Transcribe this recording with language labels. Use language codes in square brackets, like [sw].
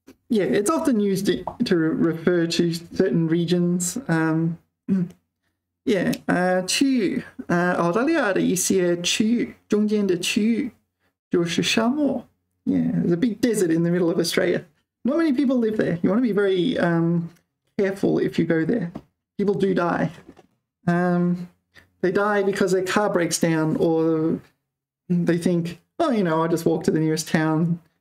[en] Yeah, it's often used to refer to certain regions. [zh] Yeah, 区域，澳大利亚的一些区域，中间的区域就是沙漠。 [en] Yeah, there's a big desert in the middle of Australia. Not many people live there. You want to be very careful if you go there. People do die. They die because their car breaks down or they think, oh, you know, I'll just walk to the nearest town.